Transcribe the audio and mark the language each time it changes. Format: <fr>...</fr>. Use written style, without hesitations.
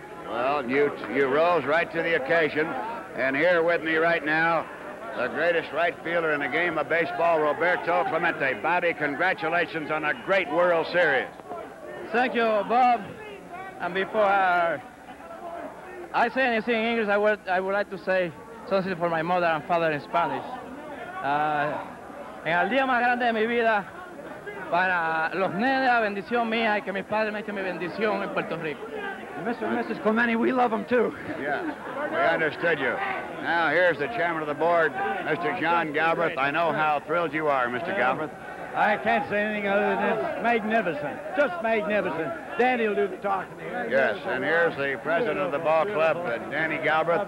<en>Well, you rose right to the occasion. And here with me right now, the greatest right fielder in the game of baseball, Roberto Clemente. Bobby, congratulations on a great World Series. Thank you, Bob. And before I say anything in English, I would like to say something for my mother and father in Spanish.</en> <es>En el día más grande de mi vida, para los nenes, la bendición mía y que mis padres me echen mi bendición en Puerto Rico.</es> <en>Mr. and Mrs. Clemente, we love them too. Yeah, we understood you. Now, here's the chairman of the board, Mr. John Galbraith. I know how thrilled you are, Mr. Galbraith. I can't say anything other than it's magnificent. Just magnificent. Danny will do the talking here. Yes, and here's the president of the ball club, Danny Galbraith.</en>